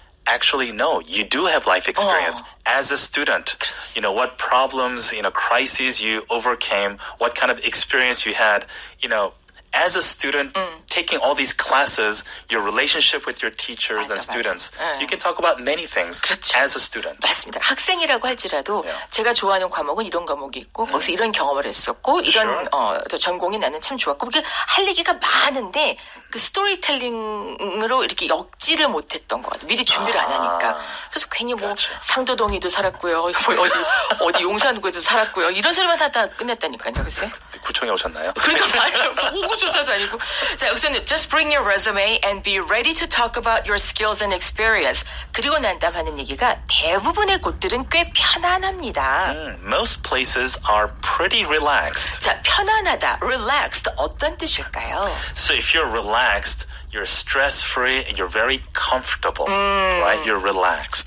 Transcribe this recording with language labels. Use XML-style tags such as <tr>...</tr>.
<en>Actually no, you do have life experience. As a student, you know what problems, you know crises you overcame, what kind of experience you had, you know as a student taking all these classes your relationship with your teachers</en> <ko>맞아,</ko> <en>and students 맞아. you can talk about many things</en> <ko>그렇죠.</ko> <en>as a student</en> <ko>맞습니다. 학생이라고 할지라도 yeah. 제가 좋아하는 과목은 이런 과목이 있고 yeah. 거기서 이런 경험을 했었고 이런</ko> <en>sure.</en> <ko>또 전공이 나는 참 좋았고 그게 할 얘기가 많은데 그 스토리텔링으로 이렇게 역지를 못 했던 것 같아요. 미리 준비를 안 하니까. 그래서 괜히 뭐</ko> <en>gotcha.</en> <ko>상도동에도 살았고요. 어디 용산구에도 살았고요. 이런 소리만 다 끝냈다니까요. 글쎄. 구청에 오셨나요? 그러니까 맞아요. 조사도 아니고. 자, 우선은</ko> <en>just bring your resume and be ready to talk about your skills and experience.</en> <ko>그리고 난 다음 하는 얘기가 대부분의 곳들은 꽤 편안합니다.</ko> <en>Most places are pretty relaxed.</en> <ko>자, 편안하다. Relaxed 어떤 뜻일까요?</ko> <en>So if you're relaxed, you're stress-free and you're very comfortable. Right? You're relaxed.</en>